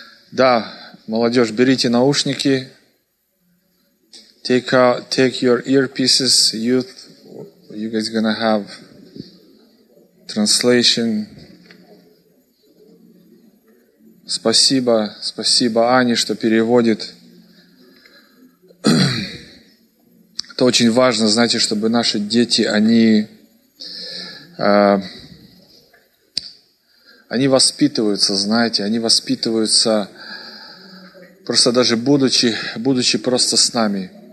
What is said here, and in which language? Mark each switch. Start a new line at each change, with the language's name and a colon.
Russian: Да, молодежь, берите наушники.
English: Take your earpieces, youth. You guys gonna have translation.
Russian: Спасибо Ане, что переводит. Это очень важно, знаете, чтобы наши дети, они воспитываются, знаете, они воспитываются просто даже будучи просто с нами.